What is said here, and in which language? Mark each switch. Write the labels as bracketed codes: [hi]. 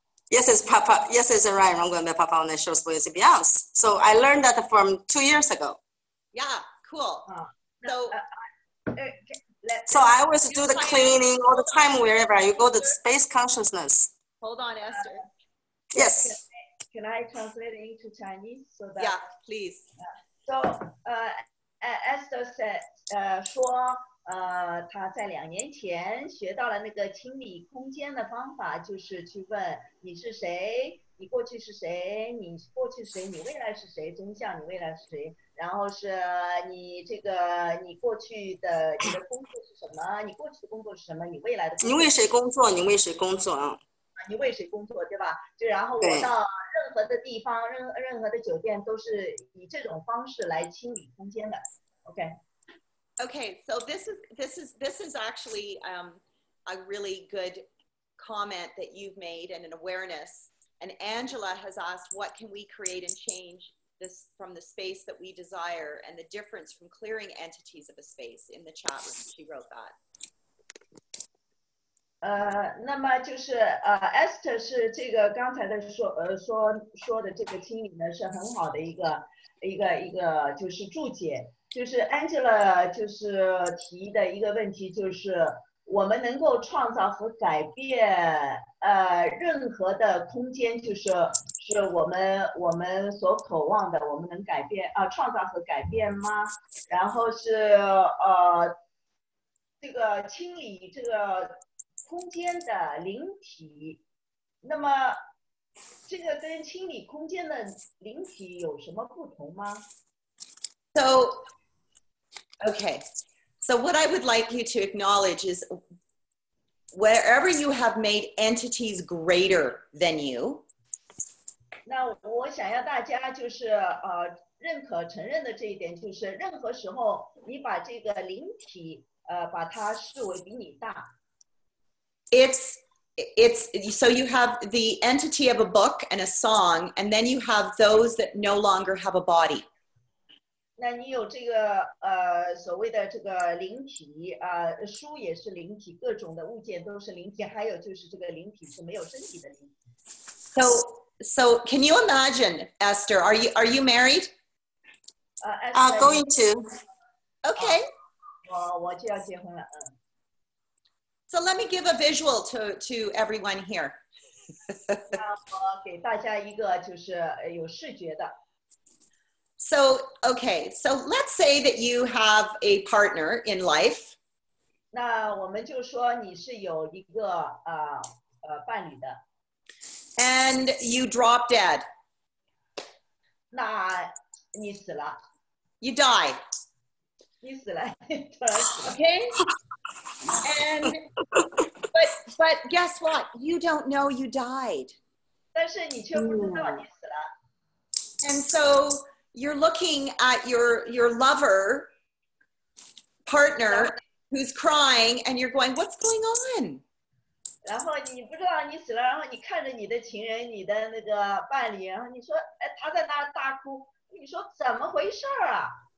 [en] Yes, it's Papa. Yes, it's right. I'm going to Papa on the show with something else. So I learned that from 2 years ago. Yeah, cool. So. So I always do the cleaning all the time wherever you go to space consciousness. Hold on, Esther. Yes. Can I translate it into Chinese? So that, yeah, please. So Esther said, [zh] 说他在两年前学到了那个清理空间的方法，就是去问你是谁，你过去是谁，你过去谁，你未来是谁，真相你未来是谁，然后是你这个你过去的你的工作是什么，你过去的工作是什么，你未来的工作你为谁工作，你为谁工作啊，你为谁工作，对吧？就然后我到任何的地方，任何的酒店都是以这种方式来清理空间的。 [en] OK, so this is actually a really good comment that you've made and an awareness. And Angela has asked, what can we create and change this from the space that we desire and the difference from clearing entities of a space in the chat room? She wrote that. [zh] 那么就是Esther 是这个刚才的说的这个清理呢是很好的一个就是注解，就是 Angela 就是提的一个问题，就是我们能够创造和改变任何的空间，就是我们所渴望的，我们能改变创造和改变吗？然后是这个清理这个空间的灵体，那么这个跟清理空间的灵体有什么不同吗？ [en] So, okay. So what I would like you to acknowledge is wherever you have made entities greater than you. [zh] 那我想要大家就是认可承认的这一点，就是任何时候你把这个灵体把它视为比你大。 [en] It's so you have the entity of a book and a song, and then you have those that no longer have a body. [zh] 那你有这个所谓的这个灵体书也是灵体，各种的物件都是灵体，还有就是这个灵体是没有身体的灵体。 [en] So can you imagine, Esther? Are you married? Esther, going to. Okay. [zh] 我就要结婚了。 [en] So let me give a visual to everyone here. [zh] 给大家一个就是有视觉的。 [en] So, okay, so let's say that you have a partner in life. [zh] 那我们就说你是有一个伴侣的。 [en] And you drop dead. [zh] 那你死了。 [en] You die. [zh] 你死了。 [en] Okay? And but guess what? You don't know you died. [zh] 但是你却不知道你死了。 [en] And so you're looking at your lover, partner, who's crying, and you're going, what's going on? [zh] 然后你不知道你死了，然后你看着你的情人，你的那个伴侣，然后你说，哎，他在那大哭，你说怎么回事啊？